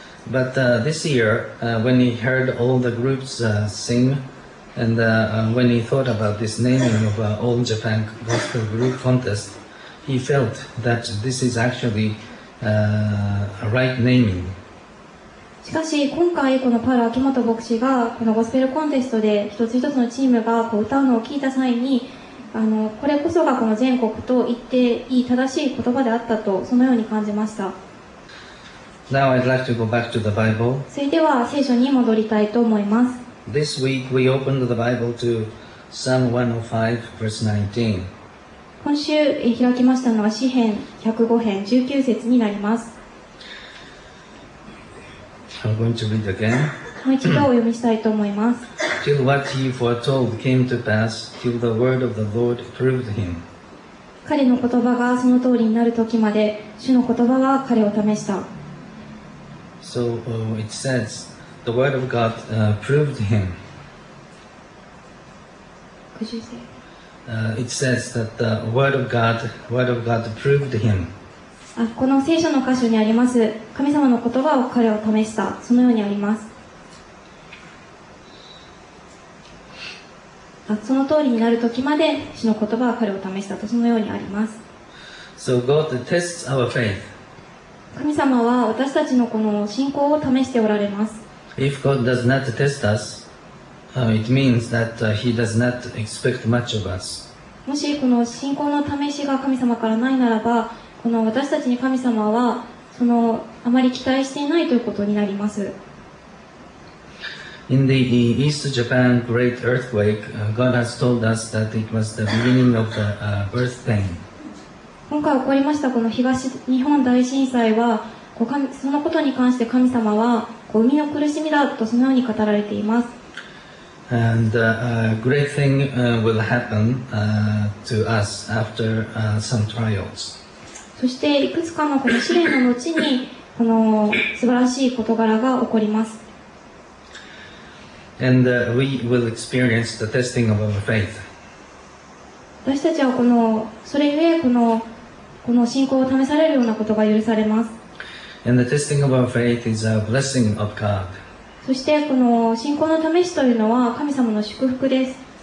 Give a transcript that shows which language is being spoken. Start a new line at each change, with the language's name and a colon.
English: But this year, when he heard all the groups sing, and when he thought about this naming of All Japan Gospel Group Contest, he felt that this is actually a right naming.
Japanese: しかし今回このパウロ秋元牧師がこのゴスペルコンテストで一つ一つのチームがこう歌うのを聞いた際に、これこそがこの全国と言っていい正しい言葉であったとそのように感じました。
English: Now I'd like to go back to the Bible.
Japanese: それでは聖書に戻りたいと思います。
English: This week we opened the Bible to Psalm 105 verse 19.
Japanese: 今週開きましたのは詩編105編19節になります。
English: I'm going to read again.
Japanese: もう一度お読みしたいと思います。
English: Till what he foretold came to pass, till the word of the Lord proved him.
Japanese: 彼の言葉がその通りになる時まで、主の言葉は彼を試した。
English: So it says, the word of God proved him. Could you say? It says that the word of God proved him.
Japanese: この聖書の箇所にあります、神様の言葉を彼を試した、そのようにあります。その通りになる時まで主の言葉は彼を試したと、そのようにあります。
English: So God tests our faith.
Japanese: 神様は私たちのこの信仰を試しておられます。
English: If God does not test us, it means that he does not expect much of us.
Japanese: もしこの信仰の試しが神様からないならば、この私たちに神様はそのあまり期待していないということになります。
English: In the East Japan Great Earthquake, God has told us that it was the beginning of the birth pain.
Japanese: 今回起こりましたこの東日本大震災は、そのことに関して神様は生みの苦しみだとそのように語られています。
English: And a great thing will happen to us after some trials.
Japanese: そしていくつかのこの試練の後にこの素晴らしい事柄が起こります。
English: And we will experience the testing of our faith.
Japanese: 私たちはこのそれゆえこの信仰を試されるようなことが許されます。
English: And the testing of our faith is a blessing of God.
Japanese: そしてこの信仰の試しというのは神様の祝福です。